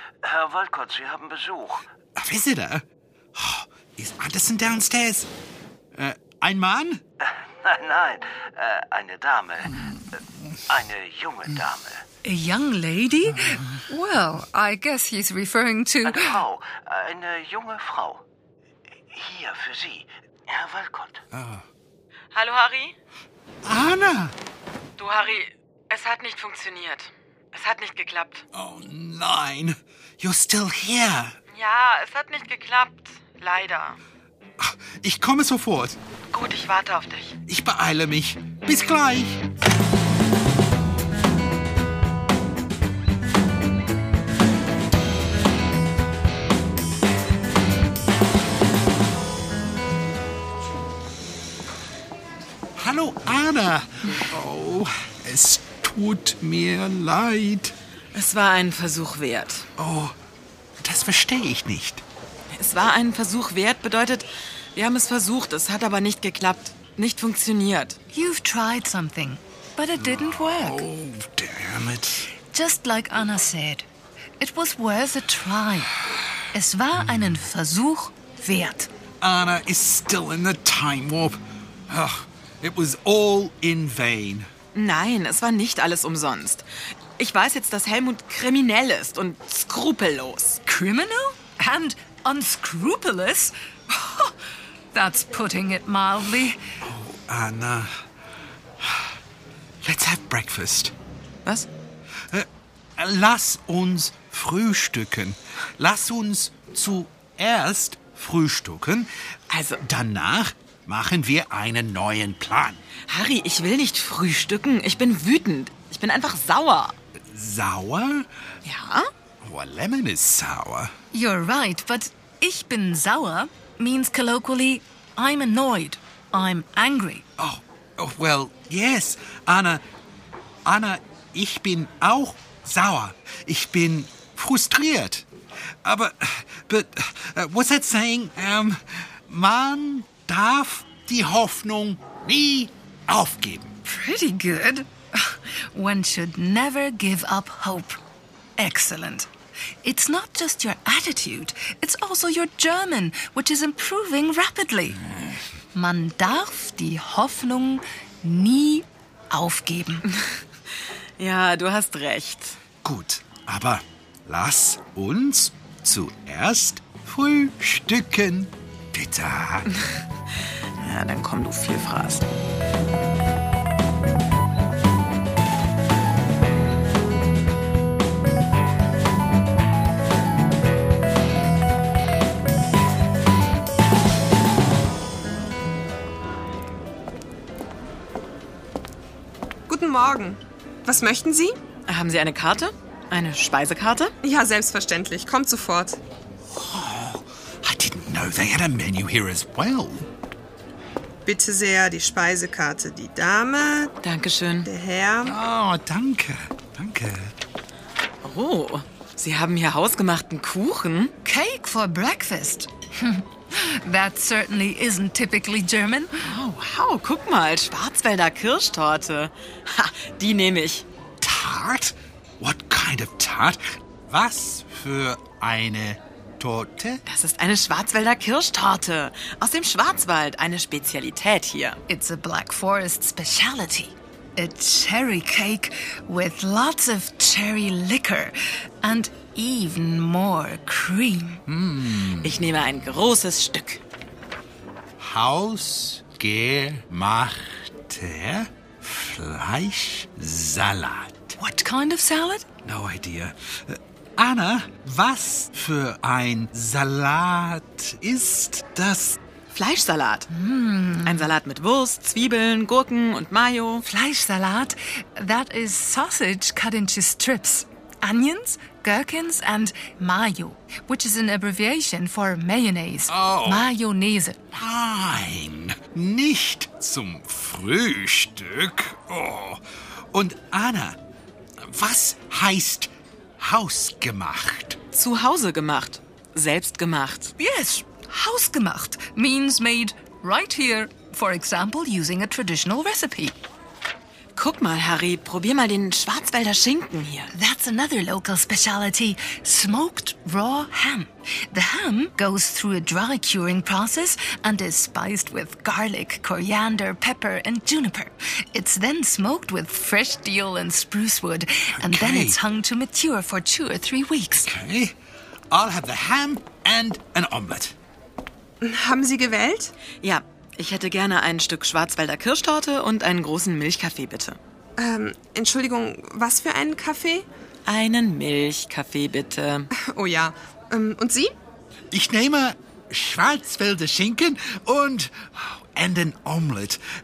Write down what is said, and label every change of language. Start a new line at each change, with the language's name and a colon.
German: Herr Walcott, Sie haben Besuch.
English: A visitor? Oh, is Anderson downstairs?
German: Ein Mann? Nein, eine Dame. Eine junge Dame.
English: A young lady? Well, I guess he's referring to...
German: Eine Frau. Eine junge Frau. Hier für Sie, Herr Walcott. Oh. Hallo, Harry. Anna! Du, Harry, es hat nicht funktioniert. Es hat nicht geklappt. Oh nein,
English: you're still here.
German: Ja, es hat nicht geklappt, leider. Ich komme sofort. Gut, ich warte auf dich. Ich beeile mich. Bis gleich. Hallo, Anna. Oh, es tut mir leid. Es war einen Versuch wert. Oh, das verstehe ich nicht. Es war einen Versuch wert bedeutet, wir haben es versucht, es hat aber nicht geklappt, nicht funktioniert.
English: You've tried something, but it didn't work. Oh, damn it. Just like Anna said, it was worth a try. Es war einen Versuch wert. Anna is still in the time warp. Oh, it was all in vain.
German: Nein, es war nicht alles umsonst. Ich weiß jetzt, dass Helmut kriminell ist und skrupellos.
English: Criminal? And unscrupulous? That's putting it mildly. Oh, Anna. Let's have breakfast.
German: Was? Lass uns frühstücken. Lass uns zuerst frühstücken. Also, danach machen wir einen neuen Plan. Harry, ich will nicht frühstücken. Ich bin wütend. Ich bin einfach sauer. Sauer? Ja.
English: Well, lemon is sour. You're right, but
German: ich bin sauer
English: means colloquially, I'm annoyed. I'm angry. Oh, well, yes.
German: Anna, ich bin auch sauer. Ich bin frustriert.
English: But what's that saying?
German: Man darf die Hoffnung nie aufgeben.
English: Pretty good. One should never give up hope. Excellent. It's not just your attitude, it's also your German, which is improving rapidly.
German: Man darf die Hoffnung nie aufgeben. Ja, du hast recht. Gut, aber lass uns zuerst frühstücken. Bitte. Ja, dann komm, du Vielfraß. Guten Morgen. Was möchten Sie? Haben Sie eine Karte? Eine Speisekarte? Ja, selbstverständlich. Kommt sofort.
English: Oh, I didn't know they had a menu here as well.
German: Bitte sehr, die Speisekarte. Die Dame. Dankeschön. Der Herr. Oh, danke. Danke. Oh, Sie haben hier hausgemachten Kuchen.
English: Cake for breakfast. That certainly isn't typically German.
German: Oh, wow, guck mal, Schwarzwälder Kirschtorte. Ha, die nehme ich.
English: Tart? What kind of tart?
German: Was für eine Torte? Das ist eine Schwarzwälder Kirschtorte. Aus dem Schwarzwald, eine Spezialität hier.
English: It's a Black Forest speciality. a cherry cake with lots of cherry liquor and even more cream. Mm.
German: Ich nehme ein großes Stück. Hausgemachter Fleischsalat.
English: What kind of salad? No idea.
German: Anna, was für ein Salat ist das? Fleischsalat. Ein Salat mit Wurst, Zwiebeln, Gurken und Mayo. Fleischsalat?
English: That is sausage cut into strips. Onions, gherkins and Mayo, which is an abbreviation for mayonnaise. Oh. Mayonnaise.
German: Nein, nicht zum Frühstück. Oh. Und Anna, was heißt hausgemacht? Zu Hause gemacht. Selbst gemacht.
English: Yes, hausgemacht means made right here, for example, using a traditional recipe.
German: Guck mal, Harry, probier mal den Schwarzwälder Schinken hier.
English: That's another local speciality, smoked raw ham. The ham goes through a dry curing process and is spiced with garlic, coriander, pepper and juniper. It's then smoked with fresh deal and spruce wood and okay. Then it's hung to mature for 2 or 3 weeks. Okay, I'll have the ham and an omelette.
German: Haben Sie gewählt? Ja. Ich hätte gerne ein Stück Schwarzwälder Kirschtorte und einen großen Milchkaffee, bitte. Entschuldigung, was für einen Kaffee? Einen Milchkaffee, bitte. Oh ja. Und Sie? Ich nehme Schwarzwälder Schinken und ein Omelett.